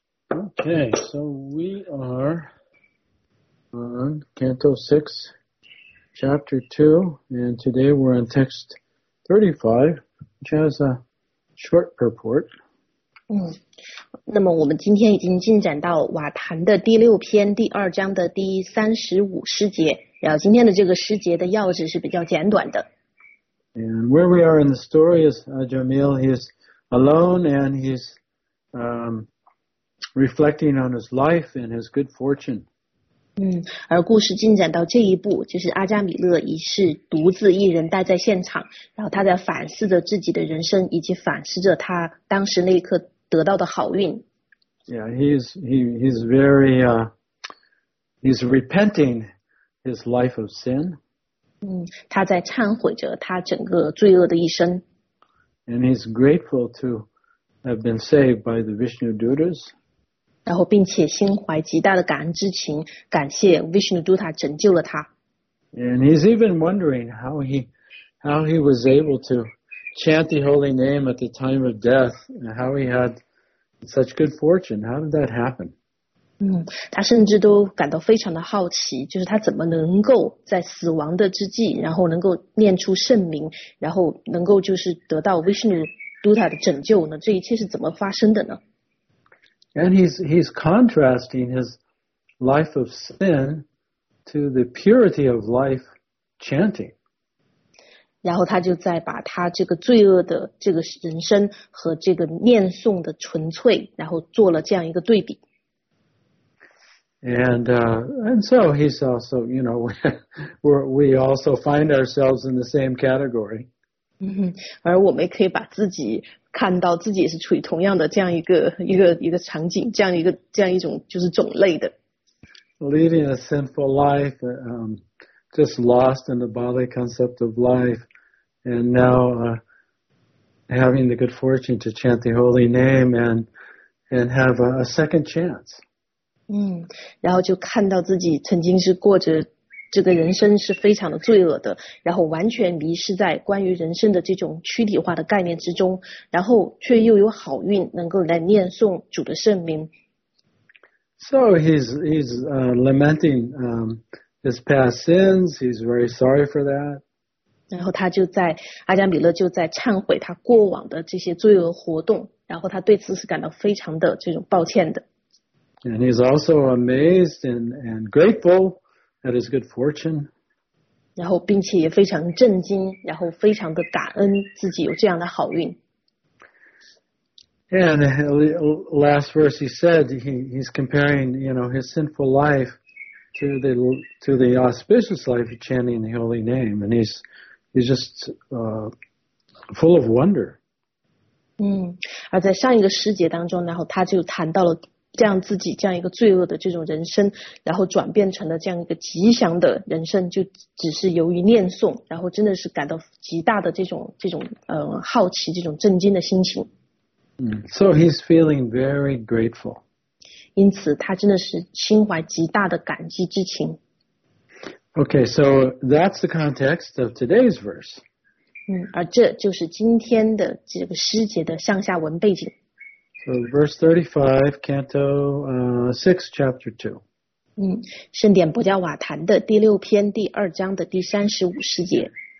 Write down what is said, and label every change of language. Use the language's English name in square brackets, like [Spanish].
[English] Okay, so we are on Canto 6, Chapter 2, and today we're on text 35, which has a short purport. [Chinese] 那么我们今天已经进展到瓦坛的第六篇第二章的第35诗节，然后今天的这个诗节的要旨是比较简短的。 [English] And where we are in the story is Jamil, he's alone and he's reflecting on his life and his good fortune. [Chinese] 而故事进展到这一步，就是阿扎米勒已是独自一人待在现场，然后他在反思着自己的人生，以及反思着他当时那一刻得到的好运。 [English] Yeah, he's repenting his life of sin. [Chinese] 他在忏悔着他整个罪恶的一生。 [English] And he's grateful to have been saved by the Vishnu Dutas. [Chinese] 然后并且心怀极大的感恩之情，感谢 Vishnu Duta 拯救了他。 [English] And he's even wondering how he was able to chant the holy name at the time of death, and how he had such good fortune. How did that happen? [Chinese] 他甚至都感到非常的好奇，就是他怎么能够在死亡的之际，然后能够念出圣名，然后能够就是得到 Vishnu Dutta 的拯救呢？这一切是怎么发生的呢？ [English] And he's contrasting his life of sin to the purity of life chanting. [Chinese] 然后他就在把他这个罪恶的这个人生和这个念诵的纯粹，然后做了这样一个对比。 [English] And so he's also, you know, we also find ourselves in the same category. [Chinese] 而我们也可以把自己看到自己也是处于同样的这样一个场景，这样一种就是种类的。 [English] Leading a sinful life, just lost in the bodily concept of life. And now, having the good fortune to chant the holy name and have a second chance. [Chinese] 然后就看到自己曾经是过着这个人生是非常的罪恶的，然后完全迷失在关于人生的这种躯体化的概念之中，然后却又有好运能够来念诵主的圣名。 [English] So he's lamenting, his past sins. He's very sorry for that. [Chinese] 然后他就在阿扎米勒就在忏悔他过往的这些罪恶活动，然后他对此是感到非常的这种抱歉的。 [English] And he's also amazed and grateful at his good fortune. [Chinese] 然后并且也非常震惊，然后非常的感恩自己有这样的好运。 [English] And last verse he said he's comparing, you know, his sinful life to the auspicious life of chanting the holy name, and he's just full of wonder. [Chinese] 而在上一个诗节当中，然后他就谈到了这样自己这样一个罪恶的这种人生，然后转变成了这样一个吉祥的人生，就只是由于念诵，然后真的是感到极大的这种好奇，这种震惊的心情。 [English] So he's feeling very grateful. [Chinese] 因此他真的是心怀极大的感激之情。 [English] Okay, so that's the context of today's verse. [Chinese] 而这就是今天的这个诗节的上下文背景。 [English] So verse 35, Canto 6, Chapter 2. [Chinese] 圣典伯加瓦坛的第六篇第二章的第35诗节。